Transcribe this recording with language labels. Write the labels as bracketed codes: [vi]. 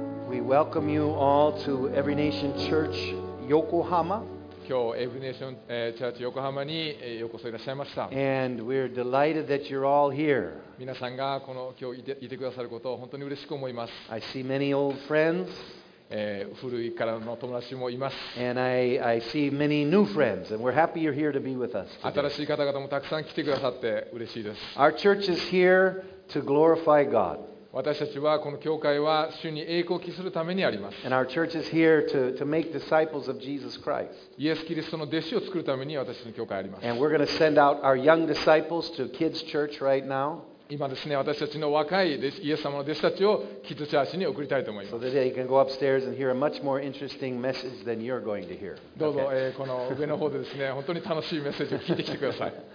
[en] We welcome you all to Every Nation Church Yokohama. [ja] 今日、Every Nation Church Yokohama にようこそいらっしゃいました。 [en] And we're delighted that you're all here. [ja] 皆さんがこの今日いてくださることを本当に嬉しく思います。 [en] I see many old friends. [ja] 古いからの友達もいます。 [en] And I see many new friends, and we're happy you're here to be with us. [ja] 新しい方々もたくさん来てくださって嬉しいです。 [en] Our church is here to glorify God. [ja] 私たちはこの教会は主に栄光を期するためにあります。 [en] And our church is here to make disciples of Jesus Christ. [ja] イエス・キリストの弟子を作るために私の教会あります。 [en] And we're going to send out our young disciples to kids' church right now. [ja] 今ですね、私たちの若いイエス様の弟子たちをキッズチャーシに送りたいと思います。 [en] So that you can go upstairs and hear a much more interesting message than you're going to hear. [ja] どうぞ、この上の方でですね、本当に楽しいメッセージを聞いてきてください。